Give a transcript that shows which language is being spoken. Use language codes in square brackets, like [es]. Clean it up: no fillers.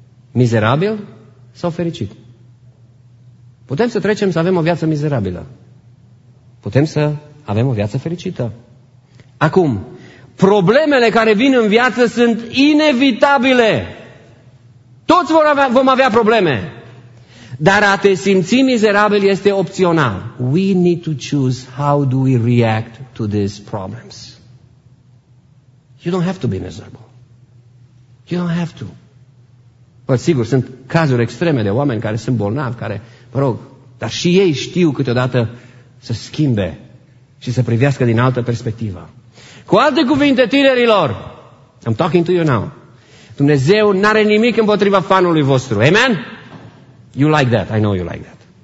[ro] Mizerabil sau fericit. Putem să trecem să avem o viață mizerabilă. Putem să avem o viață fericită. Acum, problemele care vin în viață sunt inevitabile. Toți vom avea probleme. Dar a te simți mizerabil este opțional. [en] We need to choose how do we react to these problems. You don't have to be miserable. You don't have to. [ro] Păi, sigur, sunt cazuri extreme de oameni care sunt bolnavi, care, mă rog, dar și ei știu câteodată să schimbe și să privească din altă perspectivă. Cu alte cuvinte, tinerilor, [en] I'm talking to you now, [ro] Dumnezeu n-are nimic împotriva fanului vostru. Amen? [en] You like that. I know you like that.